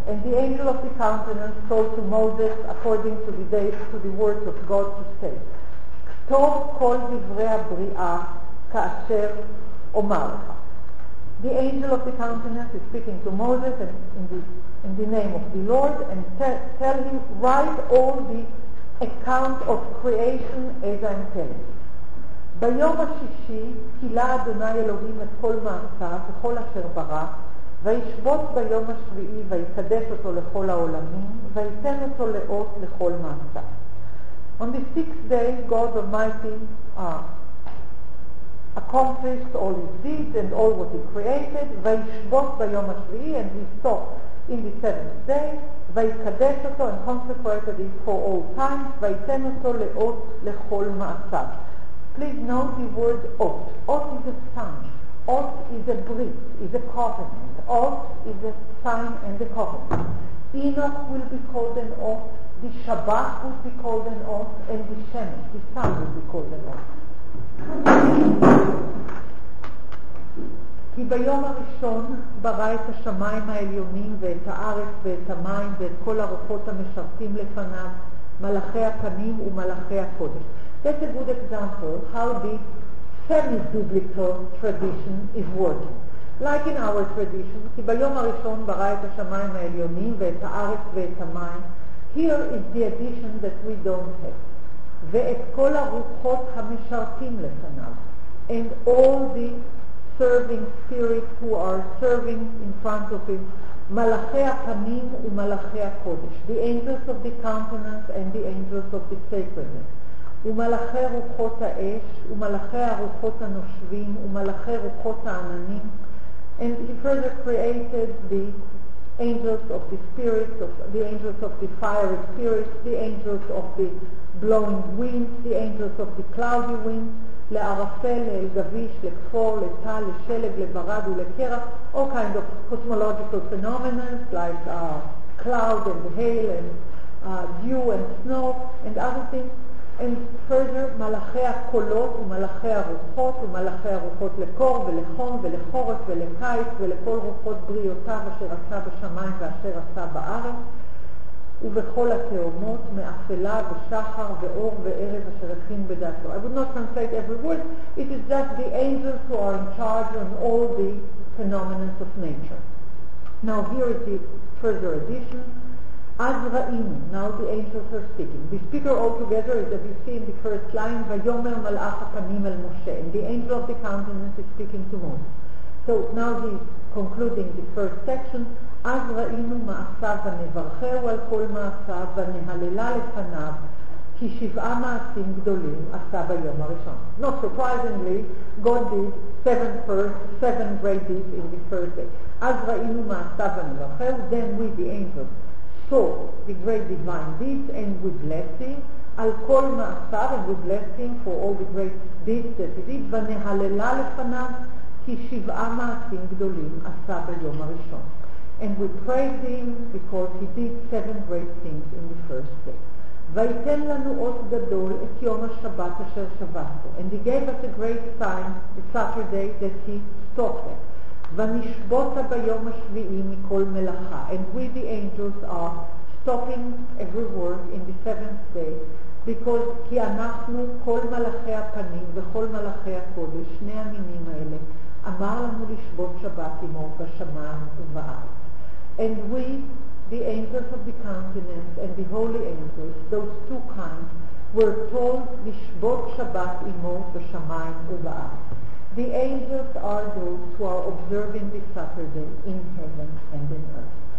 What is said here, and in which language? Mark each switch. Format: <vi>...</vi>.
<en>And the angel of the countenance told to Moses according to the day, to the words of God to say,</en> <he>K'tov kol divrei habri'ah ka'asher omar lecha.</he> <en>The angel of the countenance is speaking to Moses and in the name of the Lord and tell him, write all the account of creation as I'm telling you.</en> <he>ביום השישי קילה אדוני אלוהים את כל מעשה וכל אשר ברא וישבות ביום השביעי ויקדש אותו לכל העולמים ויתן אותו לאות לכל מעשה.</he> <en>On the sixth day God Almighty accomplished all his deeds and all what he created</en> <he>וישבות ביום השביעי</he> <en>and he stopped in the seventh day</en> <he>ויקדש אותו</he> <en>and consecrated it for all times</en> <he>ויתן אותו לאות לכל מעשיו.</he> <en>Please note the word אות. אות is a sign. אות is a brief, is a covenant. אות is a sign and a covenant. Enoch will be called an אות, the Shabbat will be called an אות, and the Shemesh, the sun, will be called an אות.</en> <he>כי ביום הראשון ברא את השמיים העליונים ואת הארץ ואת המים ואת כל הרוחות המשרתים לפניו, מלאכי הפנים ומלאכי הקודש.</he> <en>That's a good example how this semi-biblical tradition is working. Like in our tradition,</en> <he>כי ביום הראשון ברא את השמיים העליונים ואת הארץ ואת המים.</he> <en>Here is the addition that we don't have.</en> <he>ואת כל הרוחות המשרתים לפניו.</he> <en>And all the serving spirits who are serving in front of him,</en> <he>מלאכי הפנים ומלאכי הקודש,</he> <en>the angels of the countenance and the angels of the sacredness,</en> <he>ומלאכי רוחות האש ומלאכי הרוחות הנושבים ומלאכי רוחות העננים.</he> <en>And he further created the angels of the spirits, of the angels of the fiery spirits, the angels of the blowing winds, the angels of the cloudy winds,</en> <he>לערפל, לגביש, לכפור, לטל, לשלג, לברד ולקרח,</he> <en>all kinds of cosmological phenomena like cloud and hail and dew and snow and other things. And further,</en> <he>מלאכי הקולות ומלאכי הרוחות, ומלאכי הרוחות לקור ולחום ולחורף ולקיץ ולכל רוחות בריאותיו אשר עשה בשמיים ואשר עשה בארץ, ובכל התאומות מאפלה ושחר ואור וערב אשר הכין בדעתו.</he> <en>I would not translate every word. It is just the angels who are in charge of all the phenomena of nature. Now here is the further addition.</en> <he>אז ראינו,</he> <en>now the angels are speaking. The speaker altogether is that we see in the first line,</en> <he>ויומר מלאך הפנים אל משה.</he> <en>And the angel of the countenance is speaking to Moses. So now he is concluding the first section.</en> <he>אז ראינו מעשיו ונברכהו על כל מעשיו ונהללה לפניו כי שבעה מעשים גדולים עשה ביום הראשון.</he> <en>Not surprisingly, God did seven great deeds in the first day.</en> <he>אז ראינו מעשיו ונברכהו,</he> <en>then we the angels saw the great divine deeds and we blessed him</en> <he>על כל מעשיו,</he> <en>and we blessed him for all the great deeds that he did,</en> <he>ונהללה לפניו כי שבעה מעשים גדולים עשה ביום הראשון.</he> <en>And we praise him because he did seven great things in the first day.</en> <he>ויתן לנו אות גדול את יום השבת אשר שבתו.</he> <en>And he gave us a great sign, the Saturday, that he stopped it.</en> <he>ונשבות ביום השביעי מכל מלאכה.</he> <en>And we the angels are stopping every work in the seventh day because</en> <he>כי אנחנו כל מלאכי הפנים וכל מלאכי הקודש, שני המינים האלה, אמר לנו לשבות שבת עמו בשמיים ובארץ.</he> <en>And we, the angels of the countenance and the holy angels, those two kinds, were told</en> <he>לשבות שבת עמו בשמיים ובארץ.</he> <en>The angels are those who are observing the Saturday in heaven and in earth.</en>